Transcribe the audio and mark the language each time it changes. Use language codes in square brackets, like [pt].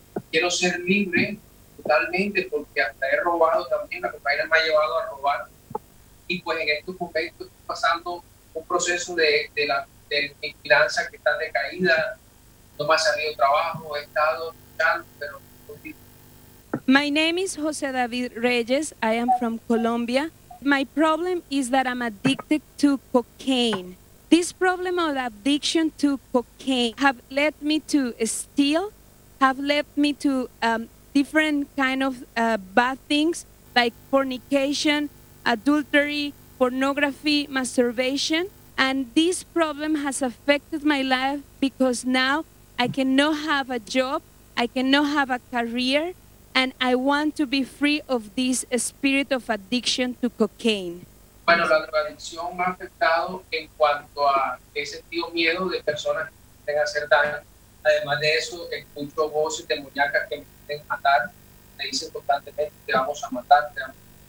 [es] Quiero ser libre. Totalmente, porque hasta he robado también, la compañera me ha llevado a robar. Y pues en estos momentos estoy pasando un proceso de mi finanza que está decaída. No me ha salido trabajo, he estado luchando, pero... [en] My name is José David Reyes. I am from Colombia. My problem is that I'm addicted to cocaine. This problem of addiction to cocaine have led me to steal, have led me to... different kind of bad things like fornication, adultery, pornography, masturbation. And this problem has affected my life because now I cannot have a job, I cannot have a career, and I want to be free of this spirit of addiction to cocaine. [es] Bueno, la adicción me ha afectado en cuanto a he sentido miedo de personas que tengan hacer daño. Además de eso, escucho voces demoníacas que me quieren matar. Me dicen constantemente, te vamos a matar, te vamos a